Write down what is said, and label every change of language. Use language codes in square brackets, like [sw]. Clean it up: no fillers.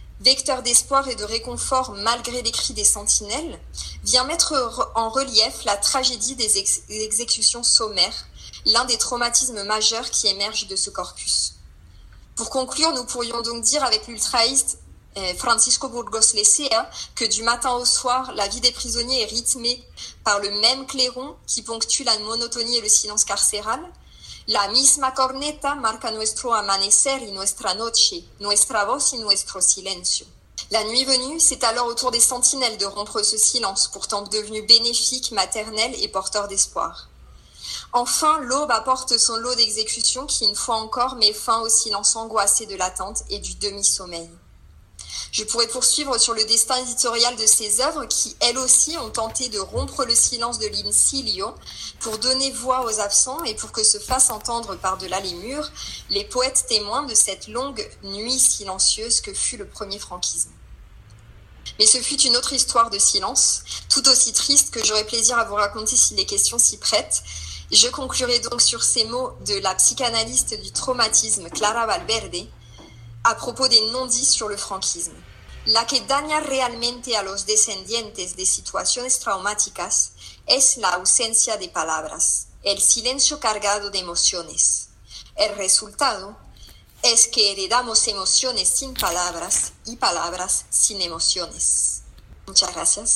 [fr] vecteur d'espoir et de réconfort malgré les cris des sentinelles, vient mettre en relief la tragédie des exécutions sommaires, l'un des traumatismes majeurs qui émergent de ce corpus. Pour conclure, nous pourrions donc dire avec l'ultraïste Francisco Burgos Lecea que du matin au soir, la vie des prisonniers est rythmée par le même clairon qui ponctue la monotonie et le silence carcéral. [es] La misma corneta marca nuestro amanecer y nuestra noche, nuestra voz y nuestro silencio. [fr] La nuit venue, c'est alors au tour des sentinelles de rompre ce silence, pourtant devenu bénéfique, maternel et porteur d'espoir. Enfin, l'aube apporte son lot d'exécutions qui, une fois encore, met fin au silence angoissé de l'attente et du demi-sommeil. Je pourrais poursuivre sur le destin éditorial de ces œuvres qui, elles aussi, ont tenté de rompre le silence de l'insilio pour donner voix aux absents et pour que se fassent entendre par-delà les murs les poètes témoins de cette longue nuit silencieuse que fut le premier franquisme. Mais ce fut une autre histoire de silence, tout aussi triste, que j'aurais plaisir à vous raconter si les questions s'y prêtent. Je conclurai donc sur ces mots de la psychanalyste du traumatisme Clara Valverde à propos des non-dits sur le franquisme. [es] La que daña realmente a los descendientes de situaciones traumáticas es la ausencia de palabras, el silencio cargado de emociones. El resultado es que heredamos emociones sin palabras y palabras sin emociones. Muchas gracias.